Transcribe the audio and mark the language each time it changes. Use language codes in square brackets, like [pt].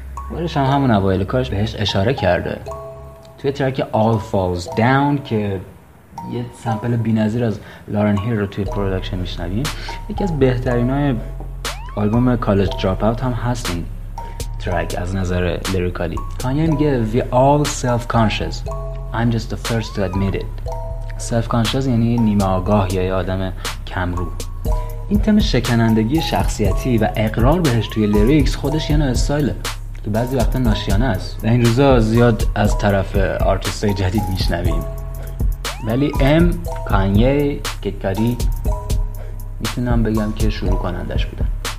[fa] بارش هم همون اوایل کارش بهش اشاره کرده توی ترک All Falls Down که یه سمپل بی نظیر از لارن هیل رو توی پرودکشن میشنویم. یکی از بهترین های آلبوم کالج دراپ اوت هم هست این ترک از نظر لیریکالی. کانیه میگه [en] We all self-conscious, I'm just the first to admit it. [fa] Self-conscious یعنی نیمه آگاه یا آدم کمرو. این تم شکنندگی شخصیتی و اقرار بهش توی لیریکس خودش یه نوع استایله که بعضی وقتا ناشیانه است و این روزا زیاد از طرف آرتیستای جدید میشنویم. ولی ام، کانیه، کیتکاری میتونم بگم که شروع کنندش بودن.